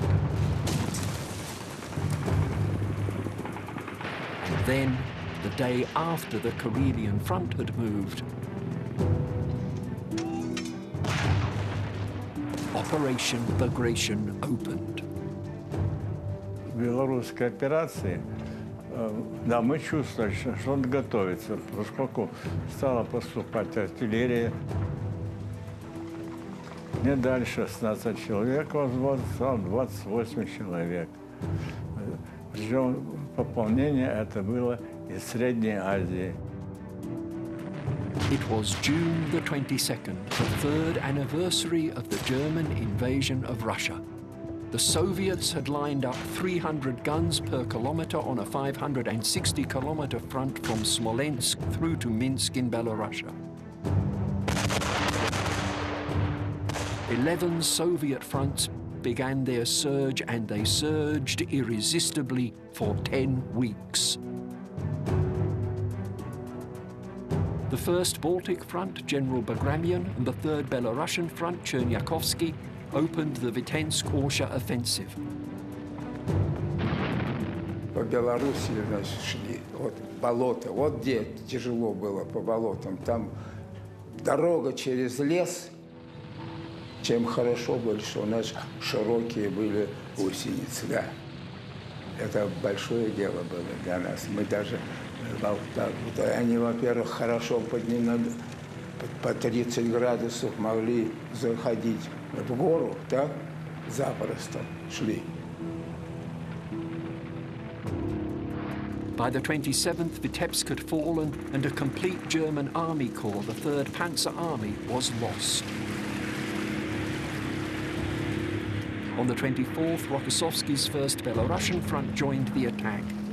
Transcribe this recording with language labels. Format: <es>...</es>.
<en>And then, the day after the Karelian front had moved, Operation Bagration opened.</en> <ru>Белорусская операция. Да, мы чувствовали, что он готовится, поскольку стала поступать артиллерия. Мне дали 16 человек, возможно, стало 28 человек. Причем пополнение это было из Средней Азии.</ru> <en>It was June the 22nd, the third anniversary of the German invasion of Russia. The Soviets had lined up 300 guns per kilometer on a 560-kilometer front from Smolensk through to Minsk in Belarus. 11 Soviet fronts began their surge, and they surged irresistibly for 10 weeks. The 1st Baltic Front, General Bagramian, and the 3rd Belarusian Front, Chernyakovsky,opened the Vitensk-Orsha offensive.</en> <ru>По Белоруссии, значит, шли, вот болото, вот где тяжело было по болотам, там дорога через лес, чем хорошо было, что у нас широкие были гусеницы, да. Это большое дело было для нас. Мы даже, вот, они, во-первых, хорошо поднимали, по 30 градусов могли заходить,В гору, так, запросто шли.</ru> <en>By the 27th, Vitebsk had fallen, and a complete German army corps, the 3rd Panzer Army, was lost. On the 24th, Rokossovsky's 1st Belarusian Front joined the attack.</en>